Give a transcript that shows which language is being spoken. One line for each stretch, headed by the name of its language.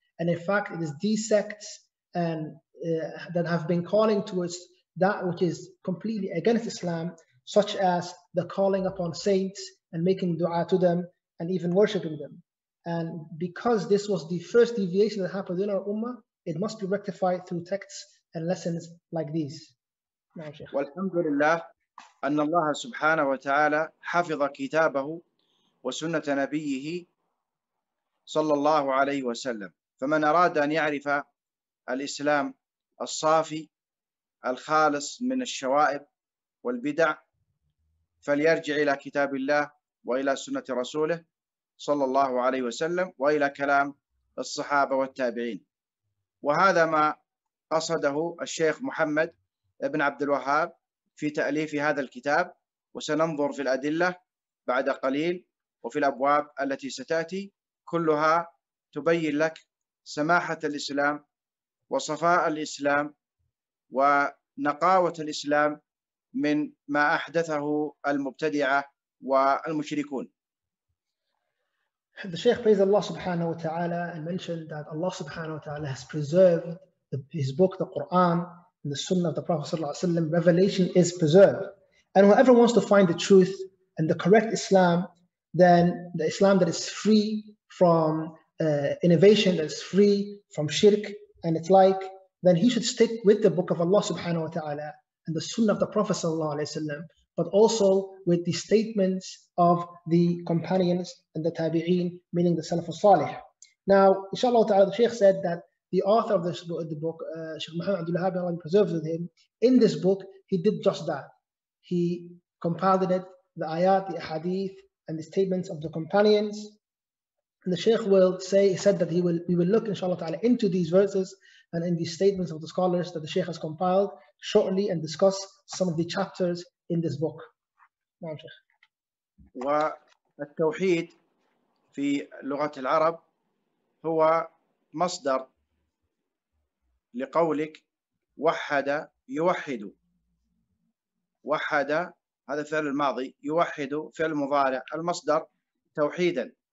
English: And in fact, it is these sects and that have been calling towards that which is completely against Islam, such as the calling upon saints and making dua to them and even worshipping them. And because this was the first deviation that happened in our Ummah, it must be rectified through texts and lessons like these.
Arabic: Alhamdulillah, أن الله سبحانه وتعالى حفظ كتابه وسنة نبيه صلى الله عليه وسلم. فمن أراد أن يعرف الإسلام الصافي الخالص من الشوائب والبدع فليرجع إلى كتاب الله وإلى سنة رسوله صلى الله عليه وسلم وإلى كلام الصحابة والتابعين. وهذا ما قصده الشيخ محمد ابن عبد الوهاب في تأليف هذا الكتاب، وسننظر في الأدلة بعد قليل وفي الأبواب التي ستأتي، كلها تبين لك سماحة الإسلام وصفاء الإسلام ونقاوة الإسلام من ما أحدثه المبتدعة والمشركون.
English: The Shaykh praised Allah subhanahu wa ta'ala and mentioned that Allah subhanahu wa ta'ala has preserved his book, the Quran, and the Sunnah of the Prophet sallallahu alayhi wa sallam. Revelation is preserved. And whoever wants to find the truth and the correct Islam, then the Islam that is free from innovation, that is free from shirk and its like, then he should stick with the book of Allah subhanahu wa ta'ala and the Sunnah of the Prophet sallallahu alayhi wa sallam, but also with the statements of the companions and the tabi'een, meaning the Salaf al-Salih. Now, inshallah ta'ala, the Shaykh said that the author of this book, Shaykh Muhammad Abdul Wahhab, Allah preserves with him, in this book, he did just that. He compiled it, the ayat, the ahadith, and the statements of the companions. And the Shaykh will say, he said that we will look, inshallah ta'ala, into these verses and in these statements of the scholars that the Shaykh has compiled shortly and discuss some of the chapters in this book.
Arabic: والتوحيد في لغة العرب هو مصدر لقولك وحد يوحد. وحد هذا فعل الماضي، يوحد فعل مضارع، المصدر توحيدا.